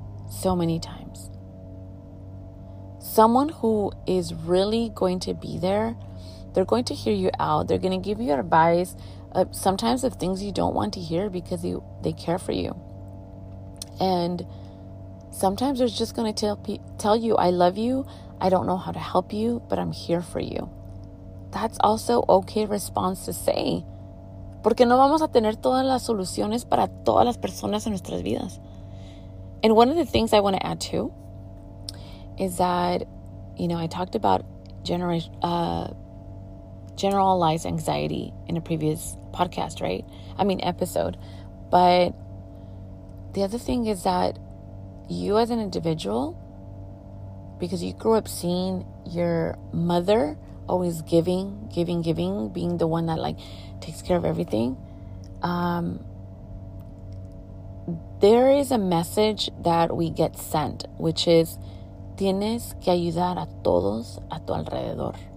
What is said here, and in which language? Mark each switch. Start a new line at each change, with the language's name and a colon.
English: Someone who is really going to be there, they're going to hear you out. They're going to give you advice, sometimes of things you don't want to hear because they care for you. And sometimes they're just going to tell you, I love you. I don't know how to help you, but I'm here for you. That's also okay response to say.
Spanish: Porque no vamos a tener todas las soluciones para todas las personas en nuestras vidas.
English: And one of the things I want to add to is that, you know, I talked about generalized anxiety in a previous podcast, right? I mean, episode. But the other thing is that you as an individual, because you grew up seeing your mother always giving, being the one that like takes care of everything, there is a message that we get sent, which is,
Spanish: tienes que ayudar a todos a tu alrededor.